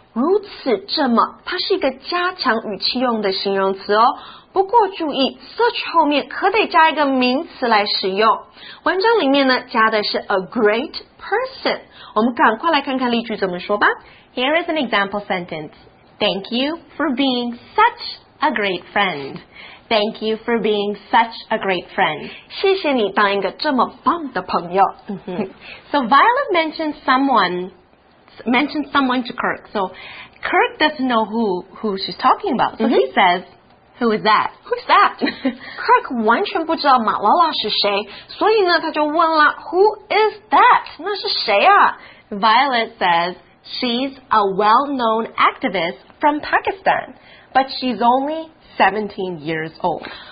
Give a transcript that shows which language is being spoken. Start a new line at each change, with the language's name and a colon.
Chinese: 如此这么，它是一个加强语气用的形容词哦。不过注意 ，such 后面可得加一个名词来使用。文章里面呢，加的是 a great person。我们赶快来看看例句怎么说吧。
English: Here is an example sentence. Thank you for being such a great friend. Thank you for being such a great friend.
Chinese: 谢谢你当一个这么棒的朋友。
English: So Violet mentioned someone to Kirk. So Kirk doesn't know who she's talking about. So、mm-hmm. he says, who is that? Who's that?
Chinese: Kirk 完全不知道马拉拉是谁，所以呢他就问了
English: who is that?
Chinese: 那是谁啊？
English: Violet says, she's a well-known activist from Pakistan, but she's only 17 years old.